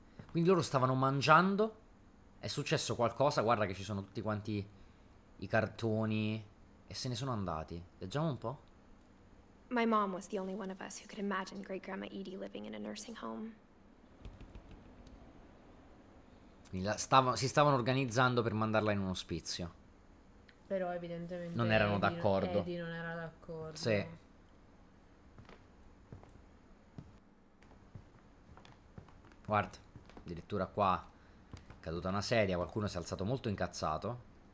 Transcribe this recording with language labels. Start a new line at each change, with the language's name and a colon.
Italian: Quindi loro stavano mangiando. È successo qualcosa. Guarda che ci sono tutti quanti i cartoni. E se ne sono andati. Leggiamo un po'.
English: My mom was the only one of us who could imagine Great Grandma Edie living in a nursing home.
Italian: Quindi si stavano organizzando per mandarla in un ospizio. Però Non erano d'accordo. evidentemente Eddie non era Se. d'accordo. Guarda, addirittura qua è caduta una sedia, qualcuno si è alzato molto incazzato.